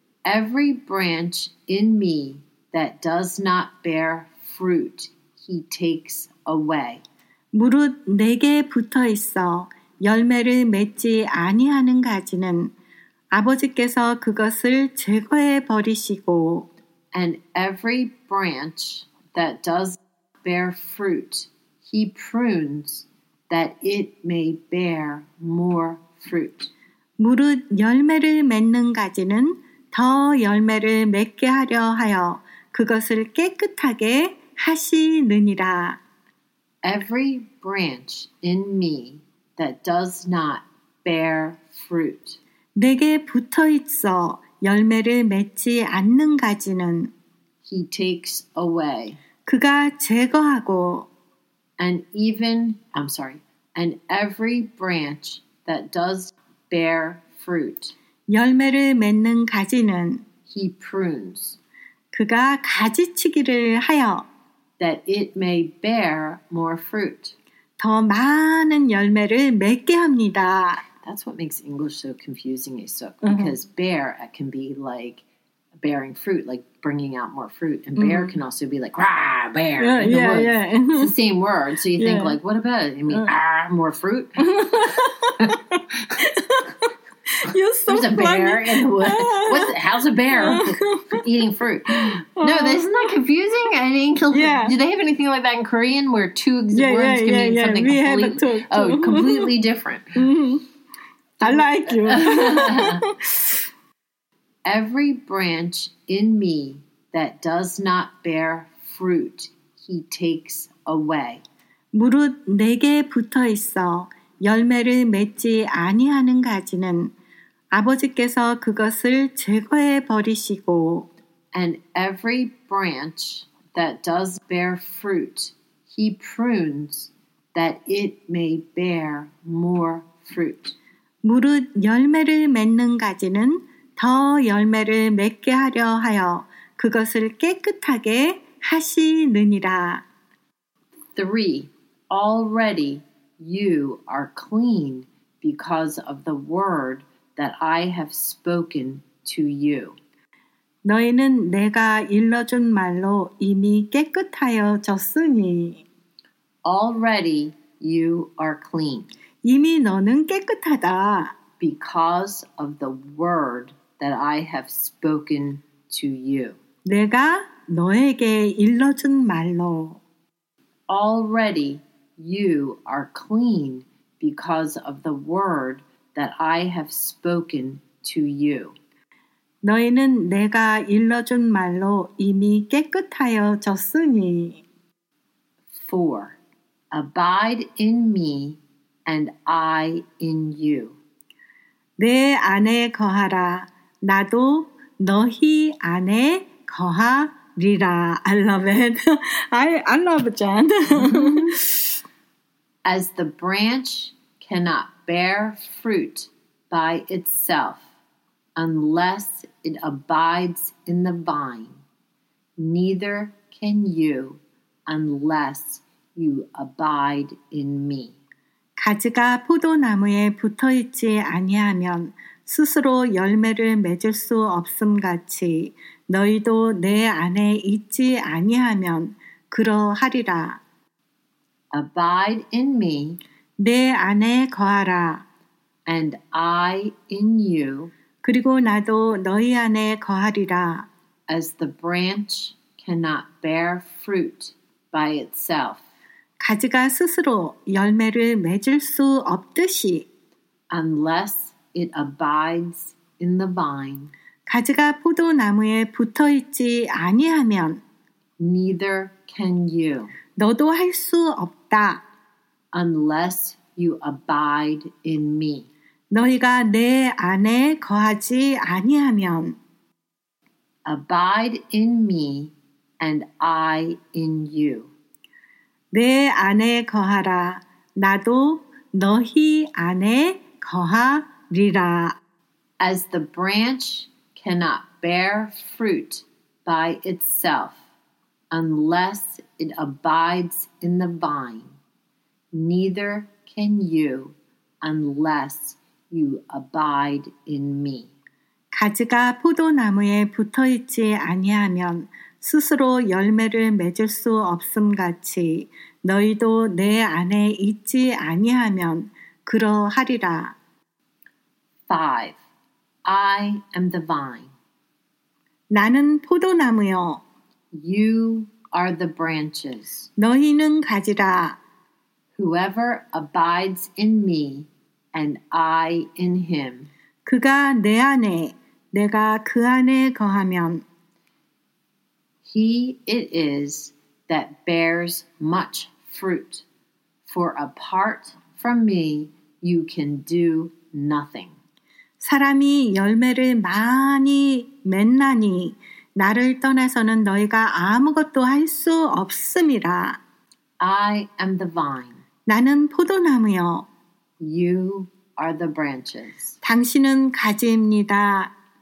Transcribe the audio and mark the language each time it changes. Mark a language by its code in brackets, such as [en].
[en] Every branch in me that does not bear fruit, he takes away. [ko] 무릇 내게 붙어 있어 열매를 맺지 아니하는 가지는 아버지께서 그것을 제거해 버리시고 [en] And every branch that does bear fruit, he prunes that it may bear more fruit. [ko] 무릇 열매를 맺는 가지는 더 열매를 맺게 하려 하여 그것을 깨끗하게 하시느니라. [en] Every branch in me that does not bear fruit. [ko] 내게 붙어 있어 열매를 맺지 않는 가지는 [en] He takes away. [ko] 그가 제거하고 [en] And even, I'm sorry, And every branch that does bear fruit, [ko] 열매를 맺는 가지는 [en] he prunes, [ko] 그가 가지치기를 하여 [en] that it may bear more fruit, [ko] 더 많은 열매를 맺게 합니다. [en] That's what makes English so confusing, Aesuk, because mm-hmm. bear, it can be like bearing fruit, like bringing out more fruit. And bear mm-hmm. can also be like, rah, bear. Yeah, in the yeah, woods. Yeah. It's the same word. So you yeah. think like, what about it? You mean, ah, more fruit? You're so There's a Bear in the woods. What's it? How's a bear eating fruit? No, isn't that confusing? I mean, yeah. do they have anything like that in Korean where two yeah, words yeah, can yeah, mean yeah. something we completely, have talk, oh, completely different? Mm-hmm. I like you. Every branch in me that does not bear fruit, he takes away. [ko] 무릇 내게 붙어 있어 열매를 맺지 아니하는 가지는 아버지께서 그것을 제거해 버리시고 [en] And every branch that does bear fruit, he prunes that it may bear more fruit. [ko] 무릇 열매를 맺는 가지는 더 열매를 맺게 하려 하여 그것을 깨끗하게 하시느니라. [en] 3. Already you are clean because of the word that I have spoken to you. [ko] 너희는 내가 일러준 말로 이미 깨끗하여졌으니. [en] Already you are clean. [ko] 이미 너는 깨끗하다. [en] Because of the word that I have spoken to you. [ko] 내가 너에게 일러준 말로. [en] Already you are clean because of the word that I have spoken to you. [ko] 너희는 내가 일러준 말로 이미 깨끗하여졌으니. [en] 4. Abide in me and I in you. [ko] 내 안에 거하라. 나도 너희 안에 거하리라. [en] I love it. I love it, John. As the branch cannot bear fruit by itself, unless it abides in the vine, neither can you unless you abide in me. [ko] 가지가 포도나무에 붙어있지 아니하면 스스로 열매를 맺을 수 없음같이 너희도 내 안에 있지 아니하면 그러하리라. [en] Abide in me. [ko] 내 안에 거하라. [en] And I in you. [ko] 그리고 나도 너희 안에 거하리라. [en] As the branch cannot bear fruit by itself. [ko] 가지가 스스로 열매를 맺을 수 없듯이. [en] Unless it abides in the vine. [ko] 가지가 포도나무에 붙어 있지 아니하면. [en] Neither can you. [ko] 너도 할 수 없다. [en] Unless you abide in me. [ko] 너희가 내 안에 거하지 아니하면 [en] Abide in me and I in you. [ko] 내 안에 거하라. 나도 너희 안에 거하리라. [en] As the branch cannot bear fruit by itself unless it abides in the vine, neither can you unless You abide in me. [ko] 가지가 포도나무에 붙어 있지 아니하면 스스로 열매를 맺을 수 없음같이 너희도 내 안에 있지 아니하면 그러하리라. [en] 5. I am the vine. [ko] 나는 포도나무요. [en] You are the branches. [ko] 너희는 가지라. [en] Whoever abides in me And I in him. [ko] 그가 내 안에, 내가 그 안에 거하면. [en] He it is that bears much fruit. For apart from me, you can do nothing. [ko] 사람이 열매를 많이 맺나니, 나를 떠나서는 너희가 아무것도 할 수 없음이라. [en] I am the vine. [ko] 나는 포도나무요. [en] You are the branches. [ko] 당신은 가지입니다.